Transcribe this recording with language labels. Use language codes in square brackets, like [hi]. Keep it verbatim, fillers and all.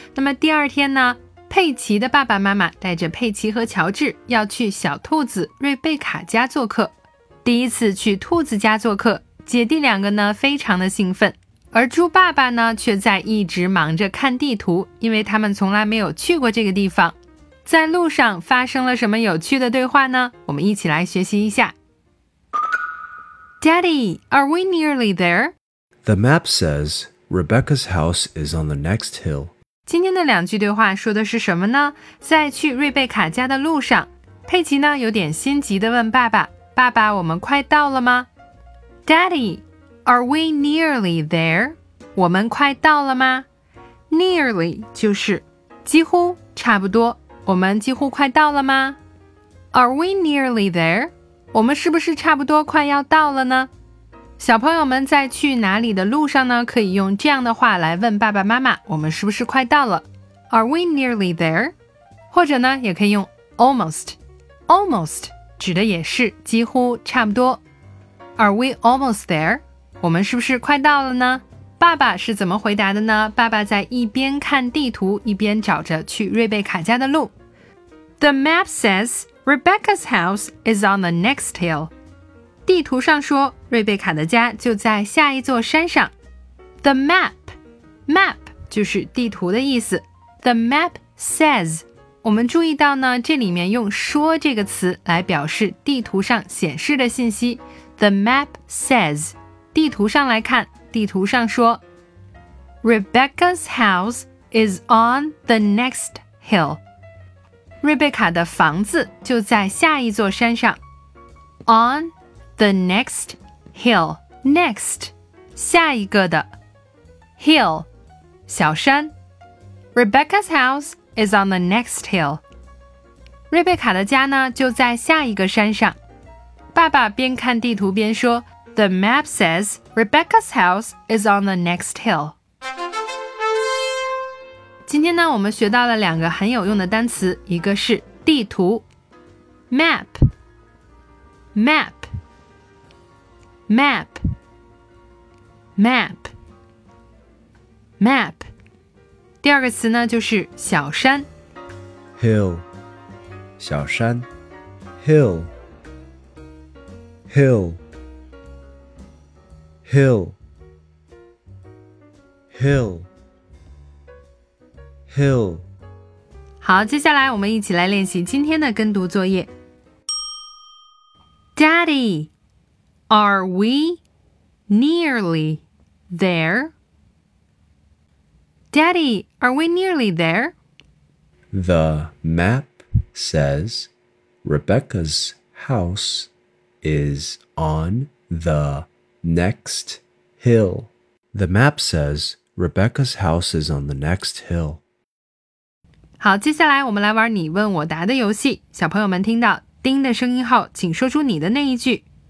[zh] 那么第二天呢，佩奇的爸爸妈妈带着佩奇和乔治要去小兔子瑞贝卡家做客。第一次去兔子家做客，姐弟两个呢非常的兴奋，而猪爸爸呢却在一直忙着看地图，因为他们从来没有去过这个地方。在路上发生了什么有趣的对话呢？我们一起来学习一下。 [en] Daddy, are we nearly there? The map says Rebecca's house is on the next hill. [zh] 今天的两句对话说的是什么呢？在去瑞贝卡家的路上，佩奇呢有点心急地问爸爸，爸爸，我们快到了吗？ [en] Daddy, are we nearly there? [zh] 我们快到了吗？ Nearly 就是几乎差不多，我们几乎快到了吗？ [en] Are we nearly there? [zh] 我们是不是差不多快要到了呢？小朋友们在去哪里的路上呢，可以用这样的话来问爸爸妈妈，我们是不是快到了？ [en] Are we nearly there? [zh] 或者呢，也可以用 almost. Almost 指的也是几乎差不多。 [en] Are we almost there? [zh] 我们是不是快到了呢？爸爸是怎么回答的呢？爸爸在一边看地图，一边找着去瑞贝卡家的路。 [en] The map says Rebecca's house is on the next hill. [zh] 地图上说，瑞贝卡的家就在下一座山上。 The map, map 就是地图的意思。 [en] The map says. [zh] 我们注意到呢，这里面用说这个词来表示地图上显示的信息。 [en] The map says, [zh] 地图上来看，地图上说 [en] Rebecca's house is on the next hill. [zh] 瑞贝卡的房子就在下一座山上。 [en] On the next hill. [zh] Next, 下一个的 hill, 小山。 [en] Rebecca's house is on the next hill. [zh] 瑞贝卡的家呢，就在下一个山上。爸爸边看地图边说 [en] The map says Rebecca's house is on the next hill. [zh] 今天呢，我们学到了两个很有用的单词，一个是地图 Map Map Map Map Map 第二个词呢，就是小山 [en] Hill 小山 Hill Hill, hill, hill, hill. [zh] 好，接下来我们一起来练习今天的跟读作业。 [en] Daddy, are we nearly there? Daddy, are we nearly there? The map says Rebecca's house. Is on the next hill. The map says Rebecca's house is on the next hill. [zh] 好，接下来我们来玩你问我答的游戏。小朋友们听到叮的声音后，请说出你的那一句。